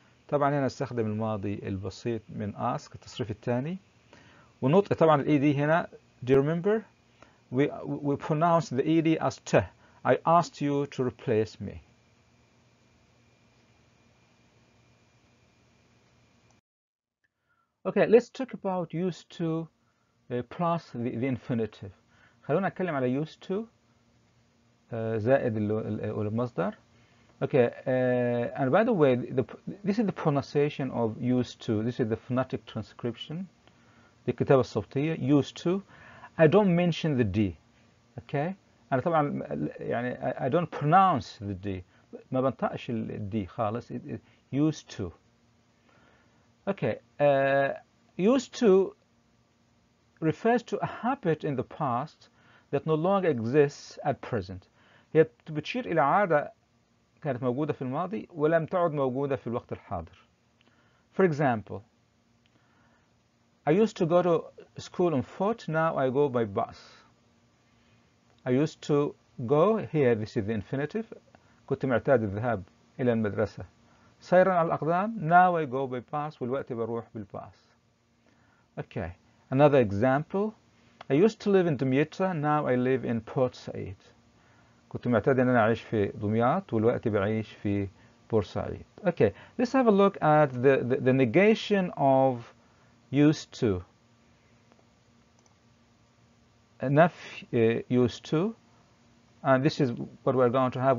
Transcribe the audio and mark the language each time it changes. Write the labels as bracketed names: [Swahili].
[Arabic] طبعا هنا استخدم الماضي البسيط من ask التصريف الثاني. ونطق طبعا ال ed هنا [English] do you remember? We pronounce the ed as t. I asked you to replace me. Okay, let's talk about used to plus the infinitive. [Arabic] خلونا نتكلم على used to زائد المصدر. [English] Okay, and by the way, this is the pronunciation of used to. This is the phonetic transcription. [Arabic] دي الكتابة الصوتية used to. [English] I don't mention the D. Okay, [Arabic] أنا طبعا يعني [English] I don't pronounce the D. [Arabic] ما بنطقش ال D خالص. Used to. [English] Okay, used to refers to a habit in the past that no longer exists at present. [Arabic] هي بتشير إلى عادة كانت موجودة في الماضي ولم تعد موجودة في الوقت الحاضر. [English] For example, I used to go to school on foot, now I go by bus. I used to go, here this is the infinitive, [Arabic] كنت معتاد الذهاب إلى المدرسة. سيرا على الأقدام [English] now I go by bus [Arabic] والوقت بروح بالباص. [English] Okay, another example. I used to live in Demeter, now I live in Port Said. [Arabic] كنت معتاد أن أنا أعيش في دمياط والوقت بعيش في بورسعيد. [English] Okay, let's have a look at the negation of used to. [Arabic] نفي [English] used to. And this is what we're going to have.